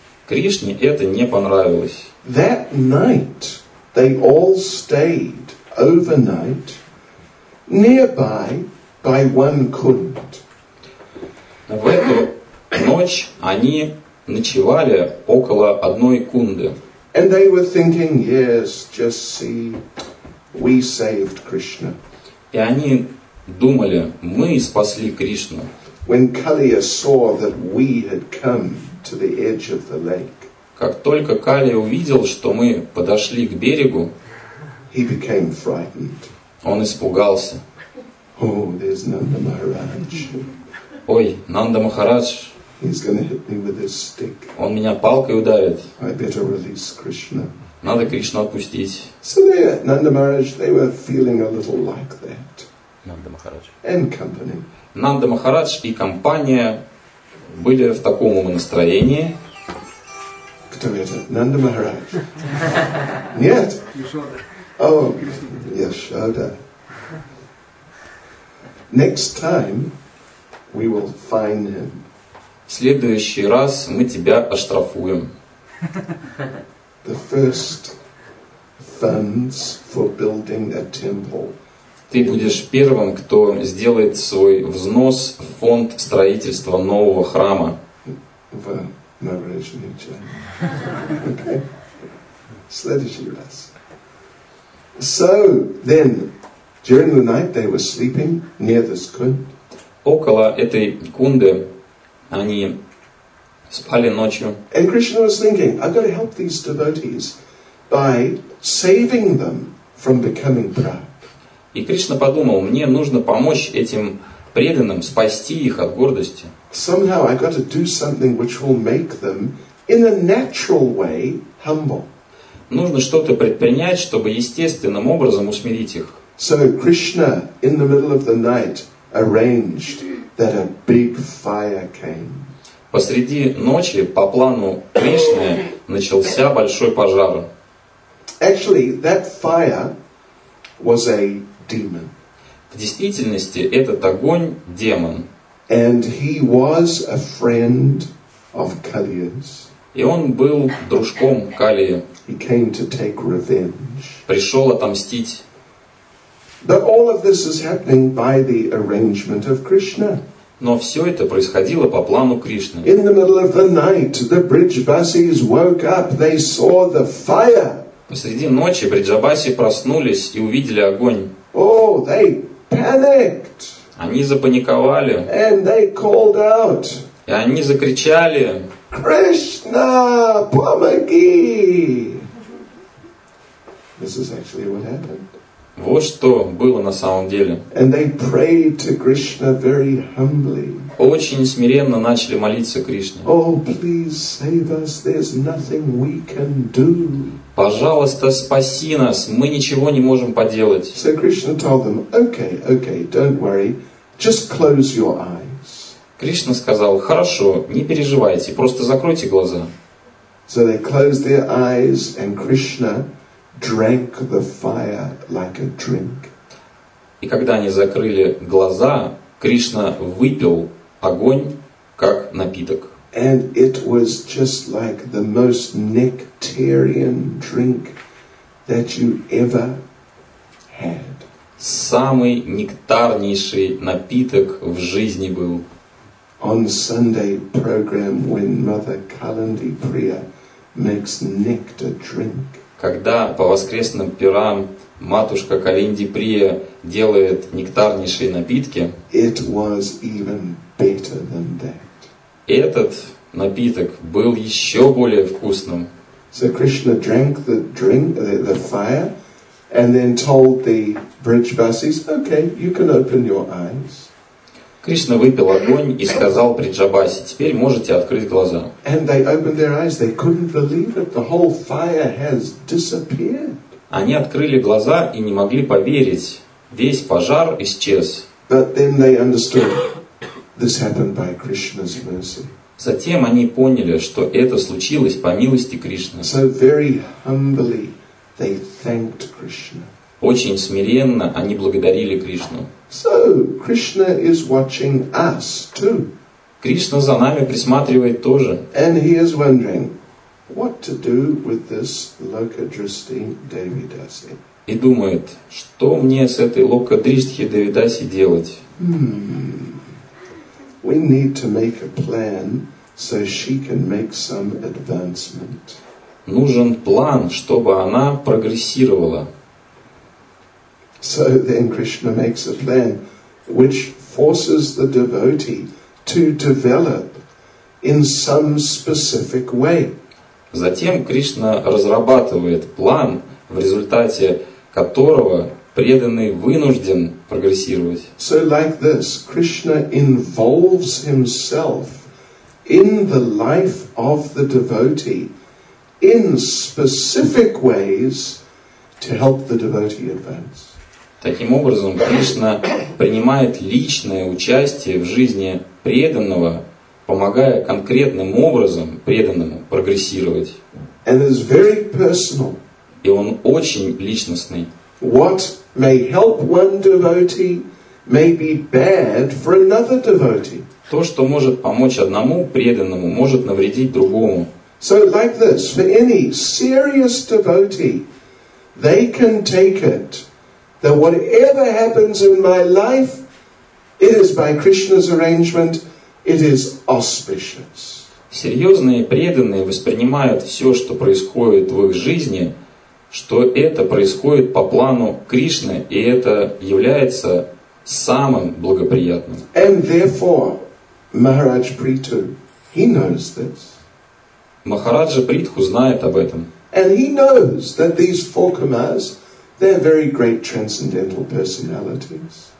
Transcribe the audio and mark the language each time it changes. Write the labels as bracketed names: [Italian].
[Russian] Кришне это не понравилось. [English] That night they all stayed overnight nearby by one kund. [Russian] В эту ночь они ночевали около одной кунды. [English] And they were thinking, yes, just see, we saved Krishna. [Russian] И они думали, мы спасли Кришну. [English] When Kaliya saw that we had come to the edge of the lake, [Russian] как только Калия увидел, что мы подошли к берегу, [English] he became frightened. [Russian] Он испугался. [English] Oh, there's Nanda Maharaj. [Russian] Ой, Нанда Махарадж. [English] He's gonna hit me with his stick. [Russian] Он меня палкой ударит. [English] I better release Krishna. [Russian] Надо Кришну отпустить. [English] So there, Nanda Maharaj, they were feeling a little like that. [Russian] Нанда Махарадж. [English] And company. [Russian] Нанда Махарадж и компания были в таком настроении. Кто это? Нанда Махарадж. Нет. Oh, Яшода. [English] Next time we will fine him. [Russian] В следующий раз мы тебя оштрафуем. The first funds for building a temple. Ты будешь первым, кто сделает свой взнос в фонд строительства нового храма. В Навраджане. Окей. Следующий раз. [English] So then, during the night they were sleeping near this kund. [Russian] Около этой кунды они спали ночью. [English] And Krishna was thinking, I've got to help these devotees by saving them from becoming proud. [Russian] И Кришна подумал, мне нужно помочь этим преданным спасти их от гордости. [English] Somehow I've got to do something which will make them in a natural way humble. [Russian] Нужно что-то предпринять, чтобы естественным образом усмирить их. [English] So Krishna in the middle of the night arranged that a big fire came. [Russian] Посреди ночи по плану Кришны начался большой пожар. [English] Actually, that fire was a demon. [Russian] В действительности этот огонь демон. [English] And he was a friend of Kaliya's. [Russian] И он был дружком Калии. [English] He came to take revenge. [Russian] Пришел отомстить. [English] But all of this is happening by the arrangement of Krishna. [Russian] Но все это происходило по плану Кришны. [English] In the middle of the night, the Brijbasis woke up. They saw the fire. [Russian] Посреди ночи Бриджабаси проснулись и увидели огонь. [English] Oh, they panicked. [Russian] Они запаниковали. [English] And they called out. [Russian] И они закричали. Krishna, помоги! [English] This is actually what happened. [Russian] Вот что было на самом деле. [English] And they prayed to Krishna very humbly. [Russian] Очень смиренно начали молиться Кришне. [English] Oh, please save us. There's nothing we can do. [Russian] Пожалуйста, спаси нас. Мы ничего не можем поделать. [English] So Krishna told them, okay, okay, don't worry. Just close your eyes. [Russian] Кришна сказал, хорошо, не переживайте, просто закройте глаза. [English] So they closed their eyes and Krishna drank the fire like a drink. [Russian] И когда они закрыли глаза, Кришна выпил огонь как напиток. [English] And it was just like the most nectarian drink that you ever had. [Russian] Самый нектарнейший напиток в жизни был. [English] On Sunday program when Mother Kalindi Priya makes nectar drink. [Russian] Когда по воскресным пирам матушка Калинди Прия делает нектарнейшие напитки, [English] it was even better than that. [Russian] Этот напиток был еще более вкусным. [English] So Krishna drank the drink, the fire, and then told the Brijbasis, okay, you can open your eyes. [Russian] Кришна выпил огонь и сказал Бриджабаси, теперь можете открыть глаза. [English] And they opened their eyes, they couldn't believe it, the whole fire has disappeared. [Russian] Они открыли глаза и не могли поверить, весь пожар исчез. [English] But then they understood this happened by Krishna's mercy. [Russian] Затем они поняли, что это случилось по милости Кришны. [English] So very humbly they thanked Krishna. [Russian] Очень смиренно они благодарили Кришну. [English] So Krishna is watching us too. [Russian] Кришна за нами присматривает тоже. [English] And he is wondering what to do with this Lokadrishti Devidasi. [Russian] И думает, что мне с этой Локадриштхи Девидаси делать? [English] We need to make a plan so she can make some advancement. [Russian] Нужен план, чтобы она прогрессировала. [English] So then Krishna makes a plan which forces the devotee to develop in some specific way. [Russian] Затем Кришна разрабатывает план, в результате которого преданный вынужден прогрессировать. [English] So like this, Krishna involves himself in the life of the devotee in specific ways to help the devotee advance. [Russian] Таким образом, Кришна принимает личное участие в жизни преданного, помогая конкретным образом преданному прогрессировать. [English] And is very personal. [Russian] И он очень личностный. [English] What may help one devotee may be bad for another devotee. [Russian] То, что может помочь одному преданному, может навредить другому. [English] So like this, for any serious devotee, they can take it that whatever happens in my life, it is by Krishna's arrangement, it is auspicious. [Russian] Серьезные преданные воспринимают все, что происходит в их жизни, что это происходит по плану Кришны, и это является самым благоприятным. [English] And therefore, Maharaj Prithu, he knows this. [Russian] Махараджа Притху знает об этом. [English] And he knows that these four kamas, they're very great transcendental personalities.